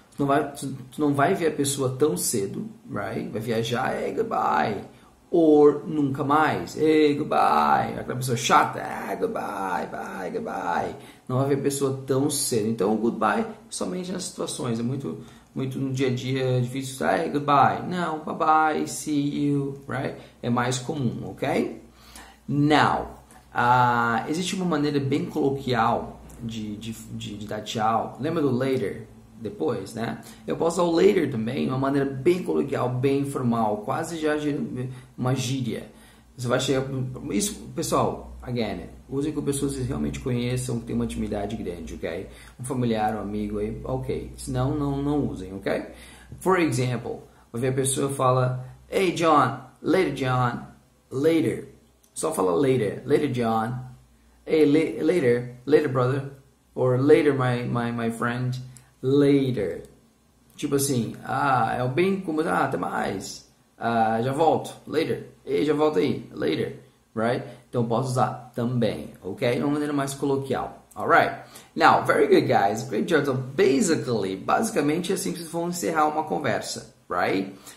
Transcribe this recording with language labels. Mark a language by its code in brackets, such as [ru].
[pt] Tu não vai ver a pessoa tão cedo, right? Vai viajar, [en] hey, goodbye. [pt] Or nunca mais, hey, goodbye. Aquela pessoa chata, [en] hey, goodbye, bye, goodbye. [pt] Não vai ver a pessoa tão cedo. Então, goodbye somente nas situações. É muito, muito no dia a dia difícil. [en] Hey, goodbye. [pt] Não, [en] bye bye, see you, [pt] right? É mais comum, ok? Now, existe uma maneira bem coloquial de dar tchau. Lembra do later? Depois, né? Eu posso usar o later também, de uma maneira bem coloquial, bem informal, quase já uma gíria. Você vai chegar... Isso, pessoal, again, use com pessoas que realmente conheçam, que tem uma intimidade grande, ok? Um familiar, um amigo, ok. Senão, não usem, ok? For example, vai ver a pessoa fala, [en] hey, John, later, John, later. [pt] Só fala [en] later, later, John. Hey, later, later, brother. Or later, my friend. [pt] Later, tipo assim, é o bem como, até mais, já volto, later, ei, já volto aí, later, right? Então posso usar também, ok? De uma maneira mais coloquial, alright? Now, [en] very good guys, great job. [pt] So, basicamente é assim que vocês vão encerrar uma conversa, right?